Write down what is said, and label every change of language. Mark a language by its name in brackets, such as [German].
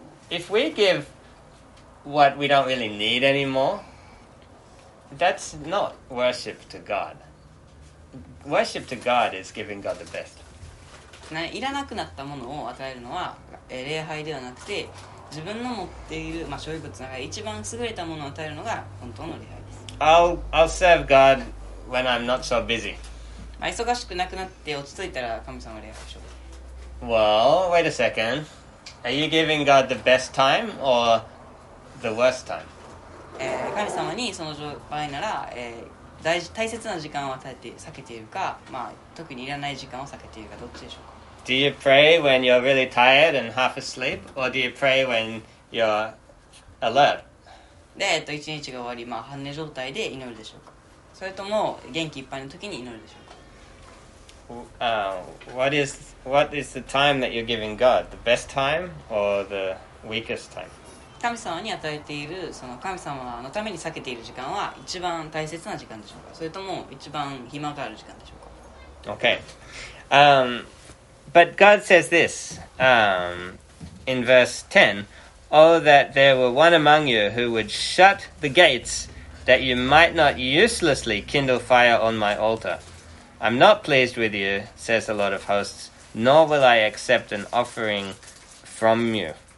[English] If we give what we don't really need anymore, that's not worship to God. worship to God is giving God the best. [Japanese] いらなくなったものを与えるのは礼拝ではなくて、自分の持っている、まあ、所有物が一番優れたものを与えるのが本当の礼拝です。 [English] I'll serve God when I'm not so busy. [Japanese] 忙しくなくなって落ち着いたら神様を礼拝しよう。 [English] Well, wait a second. Are you giving God the best time or the worst time? [Japanese] 神様にその場合なら、大切な時間を与えて避けているか、まあ、特にいらない時間を避けているか、どっちでしょうか。 [English] Do you pray when you're really tired and half asleep, or do you pray when you're alert? [Japanese] で、一日が終わり、まあ、半寝状態で祈るでしょうか。それとも元気いっぱいの時に祈るでしょうか。 [English] What is the time that you're giving God? The best time or the weakest time? [Japanese] 神様に与えているその神様のために避けている時間は一番大切な時間でしょうか。それとも一番暇がある時間でしょうか。 [English] Okay. But God says this, in verse 10, Oh, that there were one among you who would shut the gates, that you might not uselessly kindle fire on my altar. I'm not pleased with you, says the Lord of hosts, nor will I accept an offering from you.